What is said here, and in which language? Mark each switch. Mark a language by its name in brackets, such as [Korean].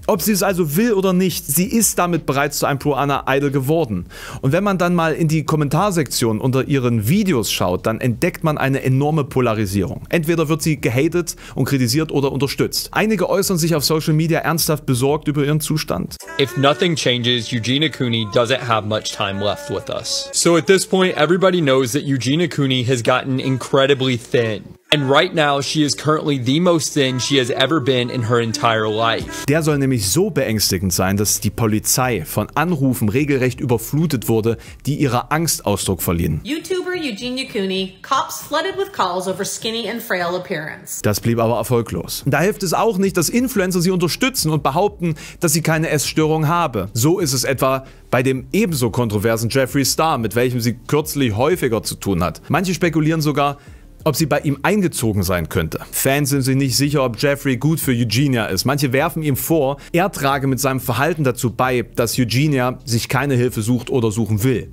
[German] Ob sie es also will oder nicht, sie ist damit bereits zu einem Pro-Anna-Idol geworden. Und wenn man dann mal in die Kommentarsektion unter ihren Videos schaut, dann entdeckt man eine enorme Polarisierung. Entweder wird sie gehatet und kritisiert oder unterstützt. Einige äußern sich auf Social Media ernsthaft besorgt über ihren Zustand. [English] If nothing changes, Eugenia Cooney doesn't have much time left with us. So at this point, everybody knows that Eugenia Cooney has gotten incredibly thin. And right now she is currently the most thin she has ever been in her entire life. [German] Der soll nämlich so beängstigend sein, dass die Polizei von Anrufen regelrecht überflutet wurde, die ihrer Angst Ausdruck verliehen. [English] YouTuber Eugenia Cooney, cops flooded with calls over skinny and frail appearance. [German] Das blieb aber erfolglos. Da hilft es auch nicht, dass Influencer sie unterstützen und behaupten, dass sie keine Essstörung habe. So ist es etwa bei dem ebenso kontroversen Jeffree Star, mit welchem sie kürzlich häufiger zu tun hat. Manche spekulieren sogar, ob sie bei ihm eingezogen sein könnte. Fans sind sich nicht sicher, ob Jeffrey gut für Eugenia ist. Manche werfen ihm vor, er trage mit seinem Verhalten dazu bei, dass Eugenia sich keine Hilfe sucht oder suchen will.